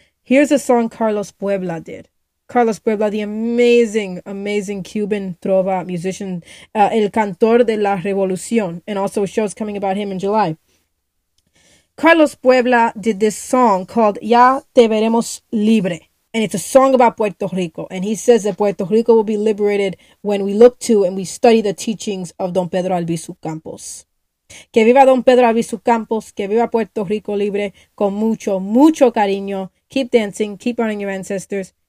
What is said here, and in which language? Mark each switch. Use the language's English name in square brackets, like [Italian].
[English] Here's a song Carlos Puebla did. Carlos Puebla, the amazing, amazing Cuban trova musician, El Cantor de la Revolución, and also a show's coming about him in July. Carlos Puebla did this song called Ya Te Veremos Libre, and it's a song about Puerto Rico, and he says that Puerto Rico will be liberated when we look to and we study the teachings of Don Pedro Albizu Campos. [Spanish] Que viva Don Pedro Albizu Campos, que viva Puerto Rico libre, con mucho, mucho cariño. [English] Keep dancing, keep honoring your ancestors.